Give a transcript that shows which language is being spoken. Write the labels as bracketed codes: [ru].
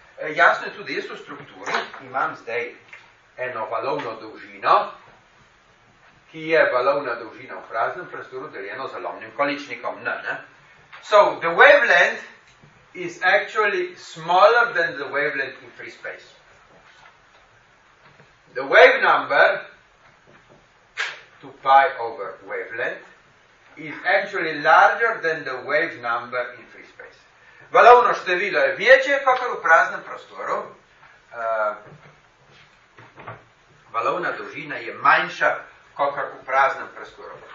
[sl] Jasno je tudi, jaz v strukturi imam zdaj eno valovno dolžino, ki je valovna dolžina v praznem prostoru deljeno z lomnim količnikom n. Ne? [en] So, the wavelength is actually smaller than the wavelength in free space. The wave number, 2 pi over wavelength, is actually larger than the wave number in free space. [sl] Valovno število je večje, kot v praznem prostoru. Valovna dolžina je manjša, kot v praznem prostoru.